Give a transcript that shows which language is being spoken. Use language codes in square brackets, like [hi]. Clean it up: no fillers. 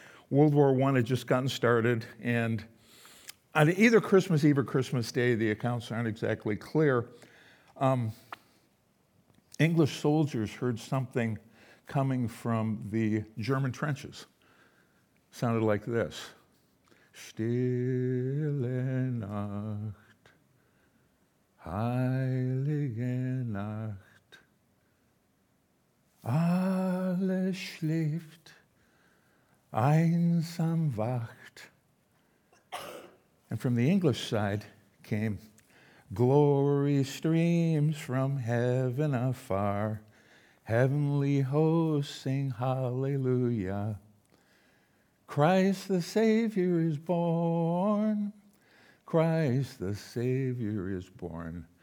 [en] World War I had just gotten started, and on either Christmas Eve or Christmas Day, the accounts aren't exactly clear, English soldiers heard something coming from the German trenches. Sounded like this. [de] Stille Nacht, heilige Nacht, alles schläft, einsam wacht. [en] And from the English side came, glory streams from heaven afar, heavenly hosts sing hallelujah, Christ the Savior is born, Christ the Savior is born.